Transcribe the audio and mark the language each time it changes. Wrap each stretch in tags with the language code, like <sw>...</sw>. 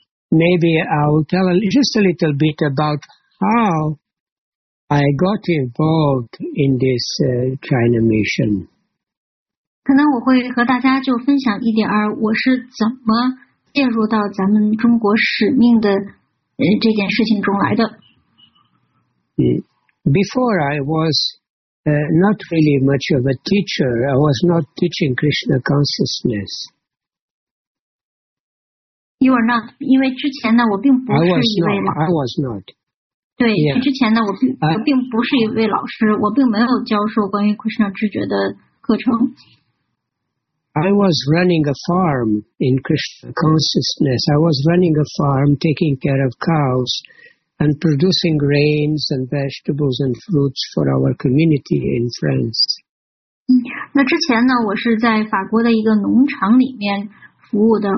<en>Maybe I'll tell just a little bit about how I got involved in this China mission.</en> <zh>可能我会和大家就分享一点儿，我是怎么介入到咱们中国使命的这件事情中来的。</zh> <en>Before I was not really much of a teacher, I was not teaching Krishna consciousness. You are not，</en> <zh>因为之前呢，我并不是一位老师。</zh> <en>I was not.</en> <zh>对，</zh> <en>Yeah.</en> <zh>之前呢，我并不是一位老师，我并没有教授关于 Krishna 知觉的课程。</zh> <en>I was running a farm in Krishna consciousness. I was running a farm, taking care of cows and producing grains and vegetables and fruits for our community in France.</en> <zh>那之前呢，我是在法国的一个农场里面服务的。</zh>